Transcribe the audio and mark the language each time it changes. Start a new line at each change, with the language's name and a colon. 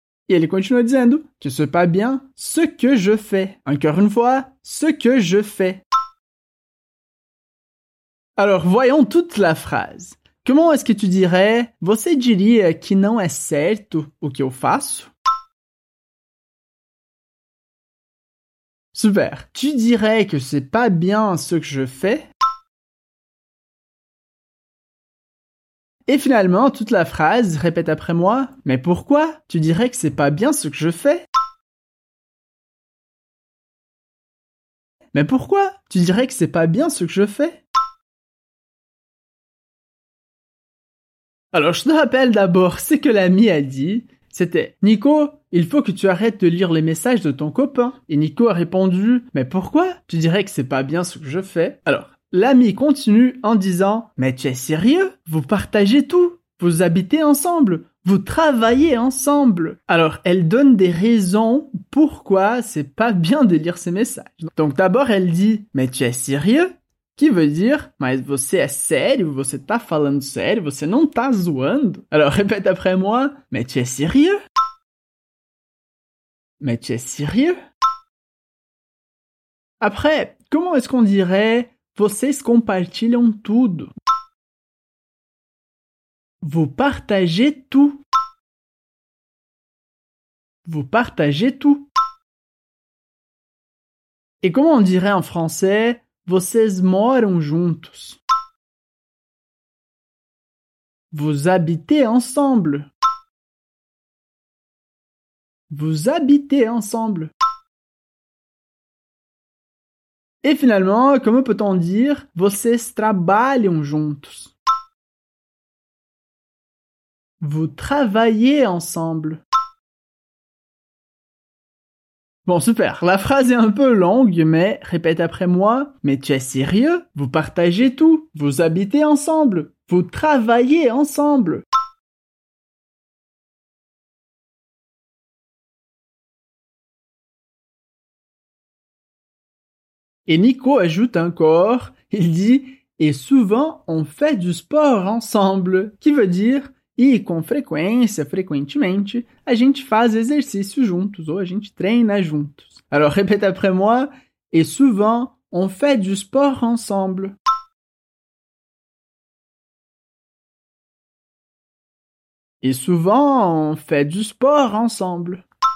Portuguese: E ele continua dizendo que
French: c'est pas bien ce que je fais. Encore une fois, ce que je fais. Alors, voyons toute la phrase. Comment est-ce que tu dirais
Portuguese: você diria que não é certo o que eu faço?
French: Super. Tu dirais que c'est pas bien ce que je fais. Et finalement, toute la phrase, répète après moi. Mais pourquoi? Tu dirais que c'est pas bien ce que je fais. Mais pourquoi? Tu dirais que c'est pas bien ce que je fais. Alors, je te rappelle d'abord ce que l'ami a dit. C'était « Nico, il faut que tu arrêtes de lire les messages de ton copain. » Et Nico a répondu « Mais pourquoi ? Tu dirais que c'est pas bien ce que je fais. » Alors, l'ami continue en disant « Mais tu es sérieux ? Vous partagez tout. Vous habitez ensemble. Vous travaillez ensemble. » Alors, elle donne des raisons pourquoi c'est pas bien de lire ces messages. Donc d'abord, elle dit « Mais tu es sérieux ?» Qui veut dire
Portuguese: « Mas você é sério, você tá falando sério, você não tá zoando ?»
French: Alors répète après moi « Mais tu es sérieux ?» Mais tu es sérieux ? Après, comment est-ce qu'on dirait «
Portuguese: Vocês compartilham tudo ?»
French: Vous partagez tout. Vous partagez tout. Et comment on dirait en français
Portuguese: Vocês moram juntos.
French: Vous habitez ensemble. Vous habitez ensemble. Et finalement, comment peut-on dire
Portuguese: vocês trabalham juntos?
French: Vous travaillez ensemble. Bon, super. La phrase est un peu longue, mais répète après moi. Mais tu es sérieux? Vous partagez tout. Vous habitez ensemble. Vous travaillez ensemble. Et Nico ajoute encore. Il dit, et souvent, on fait du sport ensemble. Qui veut dire,
Portuguese: e com frequência, frequentemente, a gente faz exercício juntos, ou a gente treina juntos.
French: Alors, répète après moi, et souvent, on fait du sport ensemble. Et souvent, on fait du sport ensemble.